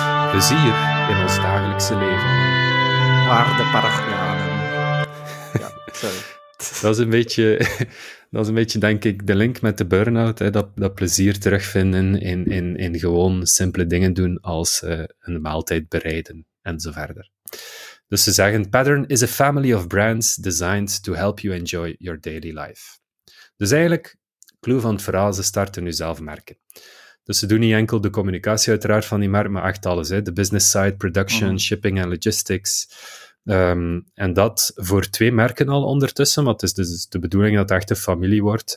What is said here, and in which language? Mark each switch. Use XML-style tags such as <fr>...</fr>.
<nl>Plezier in ons dagelijkse leven. Waar de paragranen. Ja, sorry. Dat is een beetje, denk ik, de link met de burn-out. Hè? Dat plezier terugvinden in gewoon simpele dingen doen als een maaltijd bereiden en zo verder. Dus ze zeggen,</nl> <en>Pattern is a family of brands designed to help you enjoy your daily life.</en> <nl>Dus eigenlijk, clue van het verhaal, ze starten nu zelf merken. Dus ze doen niet enkel de communicatie uiteraard van die merk, maar echt alles. Hè? De business side, production, shipping en logistics... en dat voor twee merken al ondertussen, want het is dus de bedoeling dat het echt een familie wordt.</nl>